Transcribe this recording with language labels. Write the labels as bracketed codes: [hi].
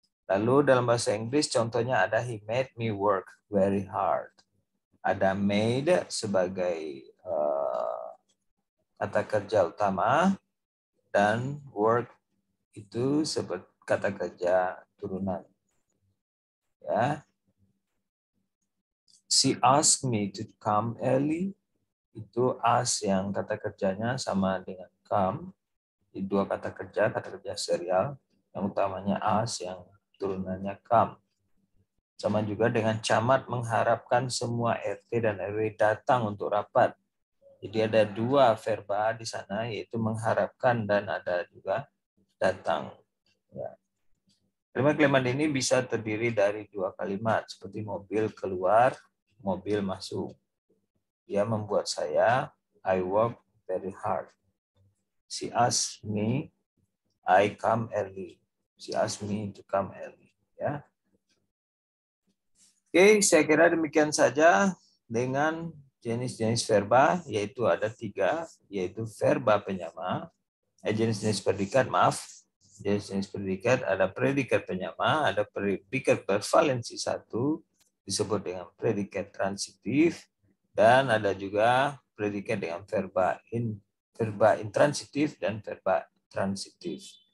[id] Lalu dalam bahasa Inggris contohnya ada [en] he made me work very hard. [id] Ada made sebagai kata kerja utama, dan work itu seperti kata kerja turunan. Ya. [en] She asked me to come early. [id] Itu as yang kata kerjanya sama dengan come. Di dua kata kerja serial, yang utamanya as, yang turunannya come. Sama juga dengan camat mengharapkan semua RT dan RW datang untuk rapat. Jadi ada dua verba di sana, yaitu mengharapkan dan ada juga datang. Ya. Kalimat-kalimat ini bisa terdiri dari dua kalimat, seperti mobil keluar, mobil masuk. Dia membuat saya, [en] I work very hard. She asked me, I come early. She asked me to come early. [id] Ya. Oke, saya kira demikian saja dengan jenis-jenis verba, yaitu ada tiga, yaitu verba penyama, jenis-jenis predikat, maaf, jenis-jenis predikat, ada predikat penyama, ada predikat bervalensi satu, disebut dengan predikat transitif, dan ada juga predikat dengan verba verba intransitif dan verba transitif.